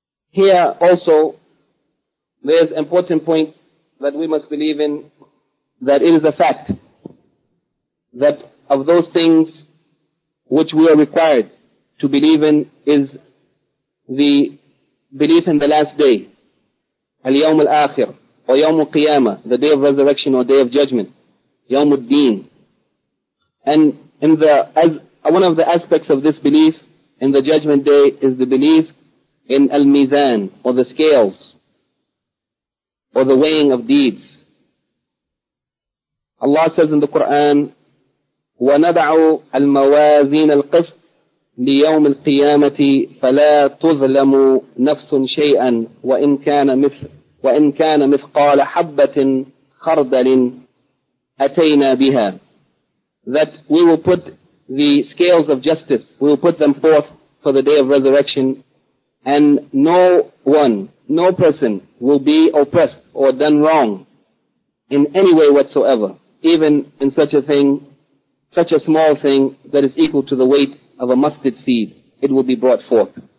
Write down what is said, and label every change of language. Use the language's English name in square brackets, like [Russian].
[English] Here also, there's an important point that we must believe in, that it is a fact that of those things which we are required to believe in is the belief in the last day, al-yawm al-akhir, or yawm al-qiyamah, the day of resurrection or day of judgment, yawm al-deen. And in the, as one of the aspects of this belief in the judgment day is the belief in al-mizan, or the scales, or the weighing of deeds. Allah says in the Quran, [Arabic] وَنَدَعُوا الْمَوَازِينَ الْقِسْطِ لِيَوْمِ الْقِيَامَةِ فَلَا تُظْلَمُ نَفْسٌ شَيْئًا وَإِنْ كَانَ مِثْقَالَ حَبَّةٍ خَرْدَلٍ أَتَيْنَا بِهَا. [English] That we will put the scales of justice, we will put them forth for the day of resurrection, and no one, no person will be oppressed or done wrong in any way whatsoever, even in such a thing, such a small thing that is equal to the weight of a mustard seed, it will be brought forth.